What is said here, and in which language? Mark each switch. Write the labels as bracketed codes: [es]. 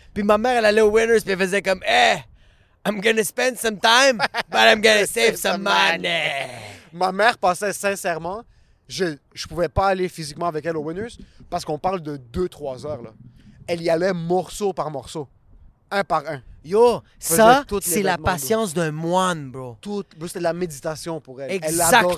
[fr] Puis ma mère, elle allait au Winners, puis elle faisait comme eh! [en] I'm gonna spend some time, but I'm gonna save some money. [fr] Ma mère pensait sincèrement, je pouvais pas aller physiquement avec elle au Winners parce qu'on parle de 2-3 heures. Là. Elle y allait morceau par morceau, un par un. Yo, ça, c'est la patience d'un moine, bro. C'était de la méditation pour elle. Exactement,